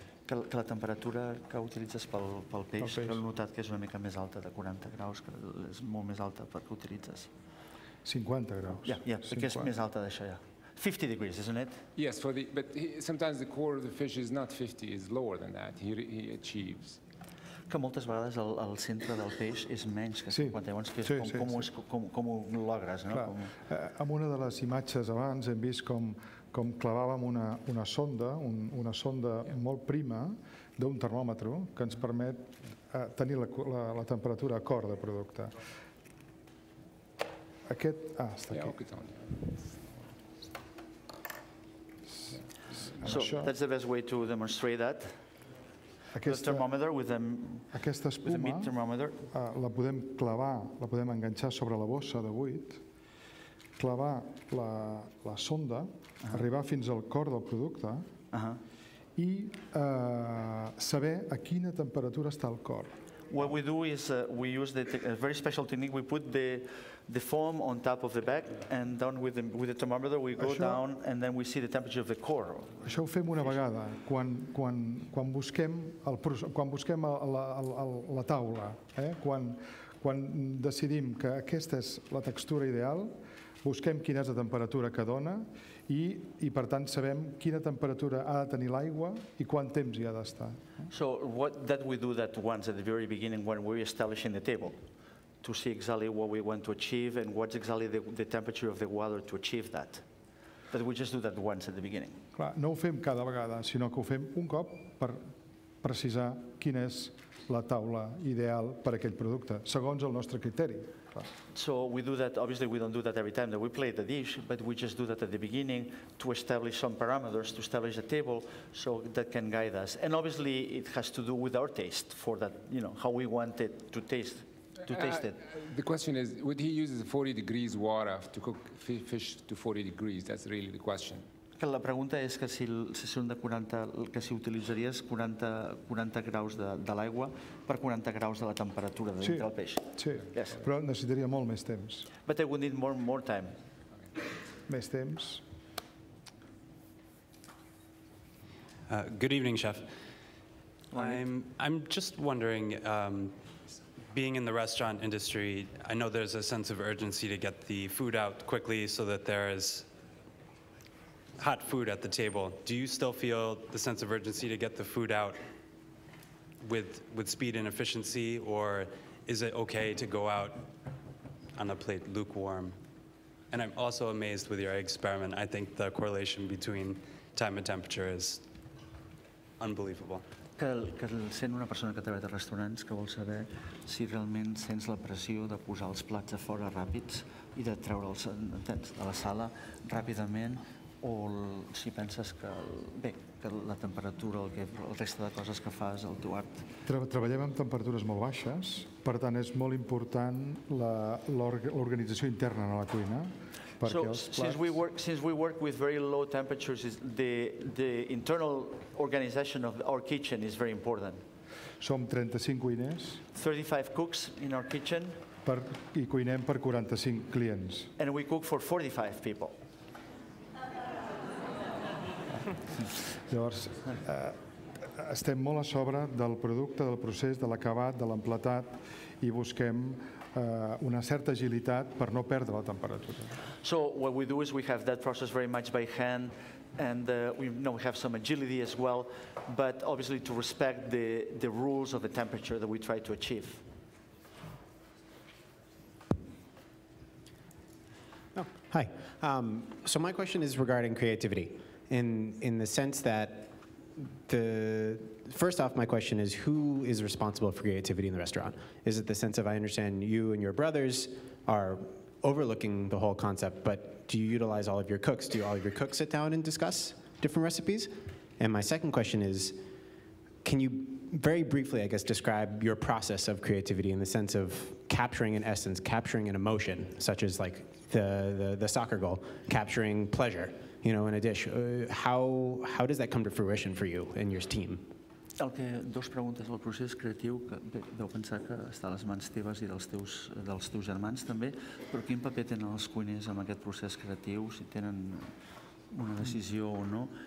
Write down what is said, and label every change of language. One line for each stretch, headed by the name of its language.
Catalan: Que la temperatura que utilitzes pel peix, que heu notat que és una mica més alta, de 40 graus, que és molt més alta perquè utilitzes. 50 graus. Yeah, perquè és més alta d'això, ja.
English: 50 degrees, isn't it? Yes, sometimes the core of the fish is not 50, it's lower than that, he achieves.
Catalan: Que moltes vegades el centre del peix és menys que 50, llavors que és com ho logres, no? En una de les imatges abans hem vist com clavàvem una sonda, una sonda molt prima d'un termòmetre que ens permet tenir la temperatura a cor de producte. Aquest... Ah, està aquí.
English: So, that's the best way to demonstrate that.
Catalan: Aquesta,
English: the thermometer with
Catalan: aquesta espuma
English: with a meat thermometer.
Catalan: La podem clavar, la podem enganxar sobre la bossa de buit, clavar la sonda, uh-huh. arribar fins al cor del producte uh-huh. i saber a quina temperatura està el cor.
English: What we do is we use a very special technique. We put the foam on top of the bag, and then with the thermometer we go down, and then we see the temperature of the core.
Catalan: Això ho fem una vegada quan busquem la taula, quan decidim que aquesta és la textura ideal, busquem quina és la temperatura que dona i per tant sabem quina temperatura ha de tenir l'aigua i quant temps hi ha d'estar.
English: So what that we do that once at the very beginning when we're establishing the table to see exactly what we want to achieve and what's exactly the temperature of the water to achieve that. But we just do that once at the beginning.
Catalan: Clar, no ho fem cada vegada, sinó que ho fem un cop per precisar quina és la taula ideal per a aquell producte, segons el nostre criteri.
English: So we do that, obviously we don't do that every time that we plate the dish, but we just do that at the beginning to establish some parameters, to establish a table so that can guide us. And obviously it has to do with our taste for that, you know, how we want it to taste. The question is, would he use 40 degrees water to cook fish to 40 degrees? That's really the question.
Catalan: La pregunta és que si són de 40, que si utilitzaries 40 graus de l'aigua per 40 graus de la temperatura de dintre del peix. Sí, però necessitaria molt més temps.
English: But I would need more time.
Catalan: Més temps.
English: Good evening, chef. I'm just wondering... Being in the restaurant industry, I know there's a sense of urgency to get the food out quickly so that there is hot food at the table. Do you still feel the sense of urgency to get the food out with speed and efficiency, or is it okay to go out on a plate lukewarm? And I'm also amazed with your experiment. I think the correlation between time and temperature is unbelievable.
Catalan: Que sent una persona que treballa a restaurants que vol saber si realment sents la pressió de posar els plats a fora ràpids i de treure'ls de la sala ràpidament o si penses que, bé, que la temperatura, el resta de coses que fas, el teu art... Treballem amb temperatures molt baixes, per tant és molt important l'organització interna en la cuina.
English: So since we work with very low temperatures, the internal organization of our kitchen is very important.
Catalan: Som 35 cuiners.
English: 35 cooks in our kitchen.
Catalan: I cuinem per 45 clients.
English: And we cook for 45 people.
Catalan: Llavors, estem molt a sobre del producte, del procés, de l'acabat, de l'emplatat, i busquem una certa agilitat per no perdre la temperatura.
English: So what we do is we have that process very much by hand, and we have some agility as well, but obviously to respect the rules of the temperature that we try to achieve. Oh, hi. So my question is regarding creativity, in the sense that first off, my question is, who is responsible for creativity in the restaurant? Is it the sense of, I understand you and your brothers are overlooking the whole concept, but do you utilize all of your cooks? Do all of your cooks sit down and discuss different recipes? And my second question is, can you very briefly, I guess, describe your process of creativity in the sense of capturing an essence, capturing an emotion, such as like the soccer goal, capturing pleasure, you know, in a dish. How does that come to fruition for you and your team?
Catalan: El que dos preguntes del procés creatiu que deu pensar que està a les mans teves i dels teus germans també, però quin paper tenen els cuiners en aquest procés creatiu, si tenen una decisió o no?